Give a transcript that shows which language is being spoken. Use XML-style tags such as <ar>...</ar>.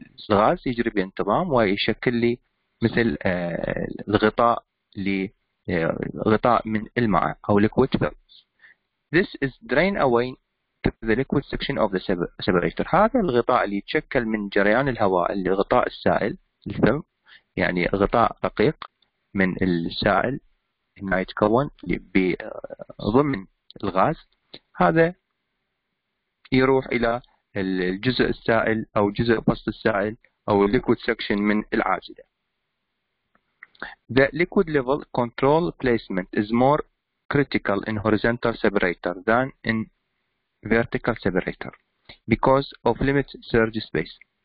<ar>الغاز يجري بانتظام ويشكل لي مثل الغطاء لغطاء من الماء او liquid films.</ar> <en>This is drain away the liquid section of the separator.</en> <ar>هذا الغطاء اللي يتشكل من جريان الهواء لغطاء السائل الفيلم, يعني غطاء رقيق من السائل ما يتكون بضمن الغاز, هذا يروح الى الجزء السائل او جزء وسط السائل او liquid section من العازلة.</ar> <en>The liquid level control placement is more critical in horizontal separator than in vertical separator because of limited surge space.</en>